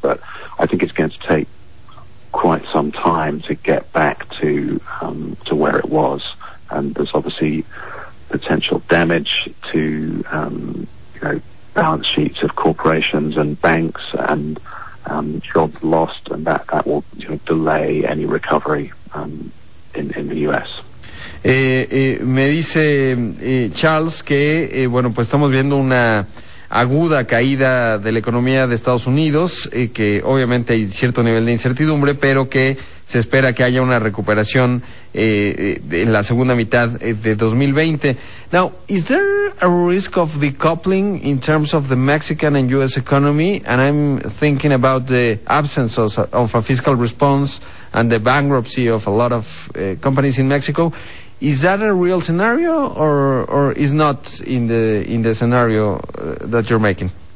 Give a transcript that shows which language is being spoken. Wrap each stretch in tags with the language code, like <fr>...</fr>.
<en>But I think it's going to take quite some time to get back to where it was. And there's obviously potential damage to, balance sheets of corporations and banks, and jobs lost, and that will delay any recovery in the U.S.</en> <es>Me dice Charles que estamos viendo una aguda caída de la economía de Estados Unidos, que obviamente hay cierto nivel de incertidumbre, pero que se espera que haya una recuperación en la segunda mitad de 2020.</es> <en>Now, is there a risk of decoupling in terms of the Mexican and U.S. economy? And I'm thinking about the absence of a fiscal response and the bankruptcy of a lot of companies in Mexico. Is that a real scenario, or is not in the scenario that you're making?</en>